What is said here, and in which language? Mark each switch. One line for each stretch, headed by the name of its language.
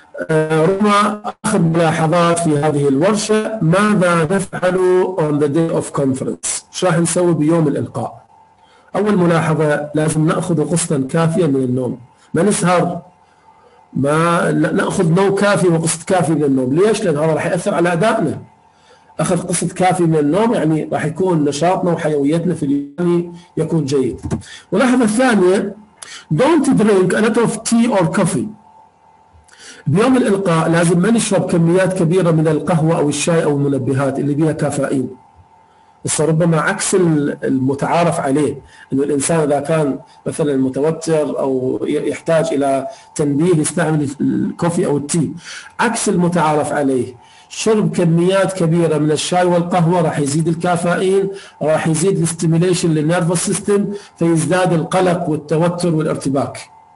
Arabic: رمى آخر ملاحظات في هذه الورشة، ماذا نفعل
English: on the day of conference،
Arabic: شو راح نسوي بيوم الإلقاء؟ أول ملاحظة لازم نأخذ قسطا كافية من النوم، ما نسهر، ما نأخذ نوم كافي وقسط كافي من النوم. ليش؟ لأن هذا راح يأثر على أدائنا. أخذ قسط كافي من النوم، يعني راح يكون نشاطنا وحيويتنا في اليوم يكون جيد. ولاحظة ثانية،
English: don't drink a lot of tea or coffee.
Arabic: بيوم الإلقاء لازم ما نشرب كميات كبيرة من القهوة أو الشاي أو المنبهات اللي بيها كافيين. بس ربما عكس المتعارف عليه، أنه الإنسان إذا كان مثلاً متوتر أو يحتاج إلى تنبيه يستعمل الكوفي أو التي، عكس المتعارف عليه، شرب كميات كبيرة من الشاي والقهوة راح يزيد الكافيين، راح يزيد الاستيميليشن للنيرفوس سيستم، فيزداد القلق والتوتر والارتباك.